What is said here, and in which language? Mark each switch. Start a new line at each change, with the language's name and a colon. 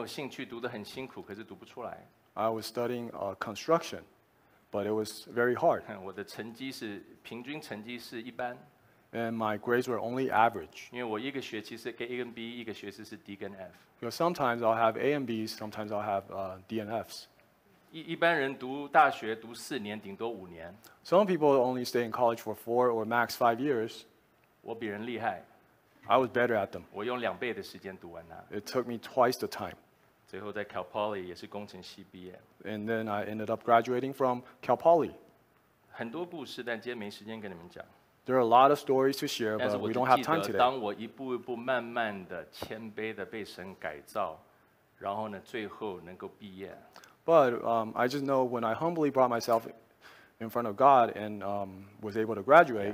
Chinese: 读工程，读得很有兴趣，读得很辛苦，可是读不出来。
English: I was studying construction, but it was very hard.
Chinese: 我的成绩是平均成绩是一般。
English: And my grades were only average.
Chinese: 因为我一个学期是A跟B，一个学期是D跟F.
English: Because sometimes I'll have A and Bs, sometimes I'll have D and Fs.
Chinese: 一般人读大学读四年，顶多五年.
English: Some people only stay in college for 4 or max 5 years.
Chinese: 我比人厉害.
English: I was better at them.
Chinese: 我用两倍的时间读完它.
English: It took me twice the time.
Chinese: 最后在Cal Poly也是工程系毕业.
English: And then I ended up graduating from Cal Poly.
Chinese: 很多故事，但今天没时间跟你们讲.
English: There are a lot of stories to share, but we don't have time today.
Chinese: 但是我就记得，当我一步一步慢慢的谦卑的被神改造，然后呢，最后能够毕业。
English: But I just know when I humbly brought myself in front of God and was able to graduate.